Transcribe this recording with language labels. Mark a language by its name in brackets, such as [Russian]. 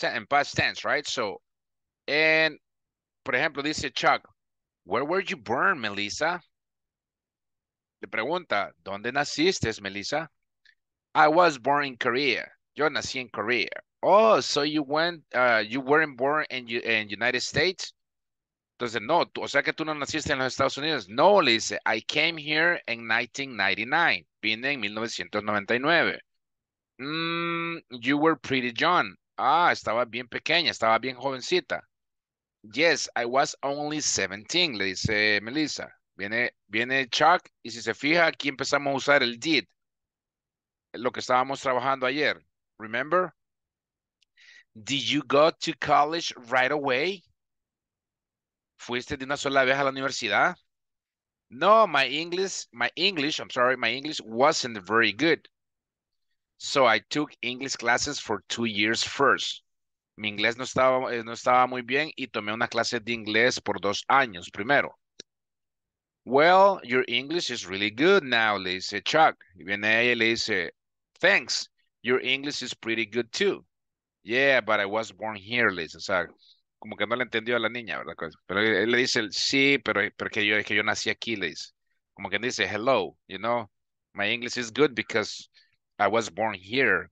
[English] In past tense, right? So, and, [Spanish] por ejemplo, dice [English] Chuck, where were you born, Melissa? [Spanish] Le pregunta, ¿dónde naciste, Melissa? [English] I was born in Korea. [Spanish] Yo nací en Korea. [English] Oh, so you went, you weren't born in United States? [Spanish] Entonces, no, o sea que tú no naciste en los Estados Unidos. [English] No, [Spanish] le dice, [English] I came here in 1999. [Spanish] Vine en 1999. [English] You were pretty young. [Spanish] Ah, estaba bien pequeña, estaba bien jovencita. [English] Yes, I was only 17, [Spanish] le dice [English] Melissa. [Spanish] Viene Chuck, y si se fija, aquí empezamos a usar el did. Lo que estábamos trabajando ayer. [English] Remember? Did you go to college right away? [Spanish] ¿Fuiste de una sola vez a la universidad? [English] No, my English wasn't very good. So I took English classes for 2 years first. [Spanish] Mi inglés no estaba muy bien y tomé una clase de inglés por 2 años primero. [English] Well, your English is really good now, [Spanish] le dice [English] Chuck. [Spanish] Y viene ella y le dice, [English] thanks, your English is pretty good too. Yeah, but I was born here, [Spanish] le dice. O sea, como que no le entendió a la niña, ¿verdad? Pero él le dice, sí, pero que yo nací aquí, le dice. Como que dice, [English] hello, you know, my English is good because I was born here.